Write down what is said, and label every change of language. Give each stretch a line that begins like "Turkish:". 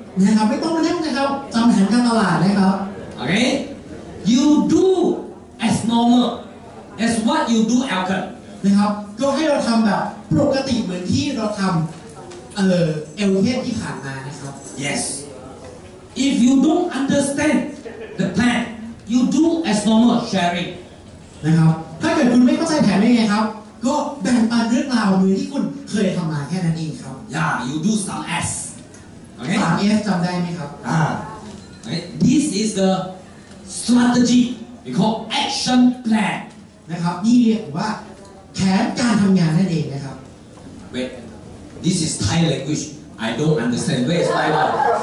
Thai: นะครับไม่ต้องมานั่งนะครับจำแผนการตลาดนะครับ
English: Okay. You do as normal as what you do Elkin.
Thai: นะครับก็ให้เราทำแบบปกติเหมือนที่เราทำLkin ที่ผ่านมานะครับ
English: Yes. If you don't understand the plan, you do as normal sharing.
Thai: นะครับถ้าเกิดคุณไม่เข้าใจแผนได้ไงครับก็แบ่งปันเรื่องราวเหมือนที่คุณเคยทำมาแค่นั้นเองครับ
English: Yeah, you do some S okay?
Thai: 3 S จำได้ไหมครับ
English: okay. This is the strategy we call action plan
Thai: นะครับนี่เรียกว่าแผนการทำงานนั่นเองนะครับ
English: Wait, this is Thai language I don't understand Where is my one?